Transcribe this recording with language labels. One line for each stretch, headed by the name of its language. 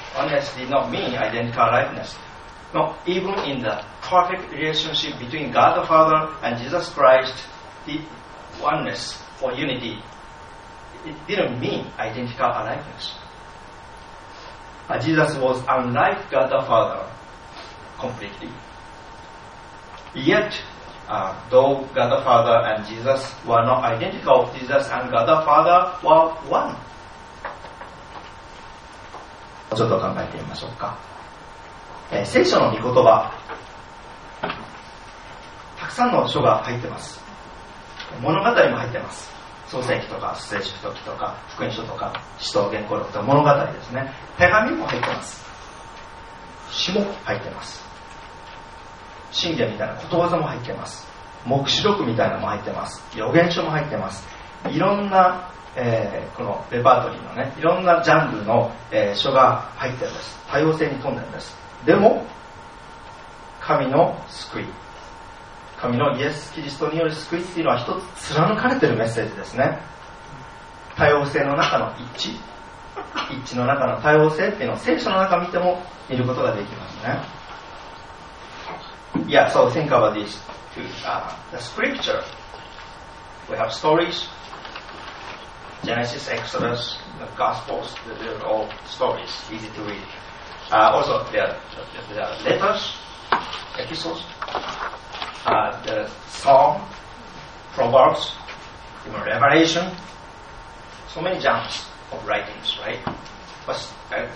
English: Oneness did not mean identical likeness. No, even in the perfect relationship between God the Father and Jesus Christ, the oneness or unity, it didn't mean identical likeness. Jesus was unlike God the Father completely. Yet, though God the Father and Jesus were not identical, Jesus and God the Father were one.
Japanese: ちょっと考えてみましょうか。聖書の御言葉、たくさんの書が入ってます。物語も入ってます。創世記とか創世記とか福音書とか使徒言行録とか物語ですね。手紙も入ってます。詩も入ってます。神言みたいなことわざも入ってます。黙示録みたいなのも入ってます。預言書も入ってます。いろんな、このレパートリーのね、いろんなジャンルの、書が入ってるんです。多様性に富んでるんです。でも神の救い、神のイエス・キリストによる救いっていうのは一つ貫かれてるメッセージですね。多様性の中の一致の中の多様性っていうのを聖書の中見ても見ることができますね。
English: Yeah, so think about this to, the scripture. We have stories. Genesis, Exodus, the Gospels, they're all stories, easy to read. Also, there are letters, epistles, the Psalm, Proverbs, even Revelation, so many genres of writings, right?